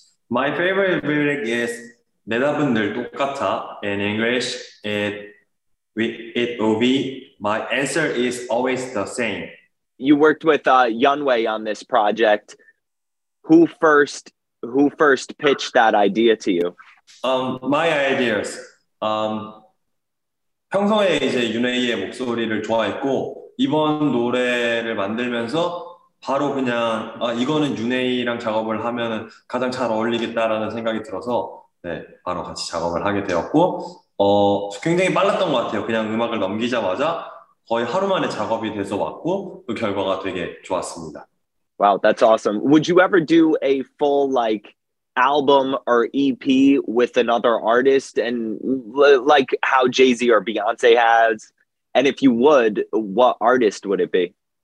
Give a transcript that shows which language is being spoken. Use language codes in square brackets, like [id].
[en] My favorite lyric is [ko] 내 답은 늘 똑같아. [en] In English, it will be my answer is always the same. You worked with Yunwei on this project. Who first pitched that idea to you? My ideas. [ko] 평소에 이제 윤회의 목소리를 좋아했고 이번 노래를 만들면서 바로 그냥 이거는 윤회의랑 작업을 하면 가장 잘 어울리겠다라는 생각이 들어서 네 바로 같이 작업을 하게 되었고 굉장히 빨랐던 것 같아요. 그냥 음악을 넘기자마자 거의 하루 만에 작업이 돼서 왔고 그 결과가 되게 좋았습니다. [en] Wow, that's awesome. Would you ever do a full like album or EP with another artist and like how Jay-Z or Beyonce has? And if you would, what artist would it be?